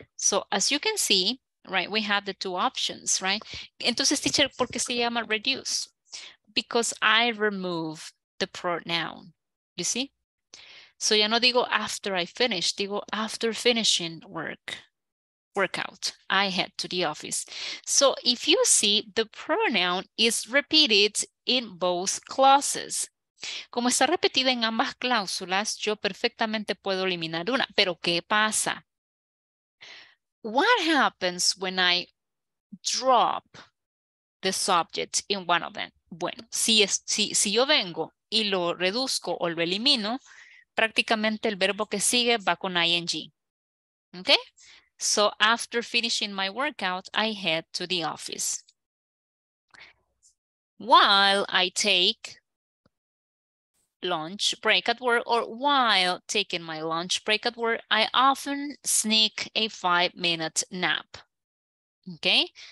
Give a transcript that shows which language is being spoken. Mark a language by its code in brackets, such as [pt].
[en] So as you can see, right, we have the two options, right? [es] Entonces, teacher, ¿por qué se llama reduce? [en] Because I remove the pronoun. You see? So [es] ya no digo [en] after I finish, [es] digo [en] after finishing workout. I head to the office. So if you see, the pronoun is repeated in both clauses. [es] Como está repetida en ambas cláusulas, yo perfectamente puedo eliminar una. Pero ¿qué pasa? [en] What happens when I drop the subject in one of them? [es] Bueno, si yo vengo y lo reduzco o lo elimino, prácticamente el verbo que sigue va con ing. [en] Okay? So after finishing my workout, I head to the office. While I take lunch break at work, or while taking my lunch break at work, I often sneak a 5-minute nap. Okay?